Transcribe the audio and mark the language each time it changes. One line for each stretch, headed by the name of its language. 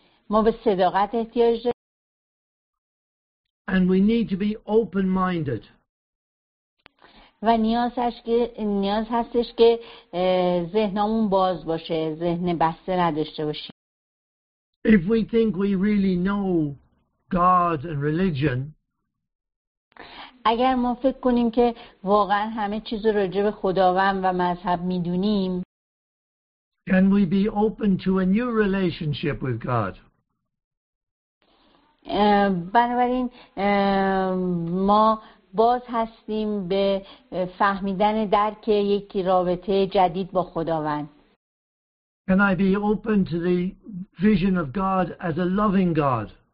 Persian: ما به صداقت احتیاج داریم.
English: And we need to be open-minded.
Persian: و نیاز هستش که ذهنمون باز باشه، ذهن بسته نداشته باشیم.
English: If we think we really know God and religion,
Persian: اگر ما فکر کنیم که واقعا همه چیز رو راجع به خداوند و مذهب میدونیم،
English: can we be open to a new relationship with God?
Persian: بنابراین ما باز هستیم به فهمیدن درک یک رابطه جدید با خداوند.
English: Can I be open to the vision of God as a loving God?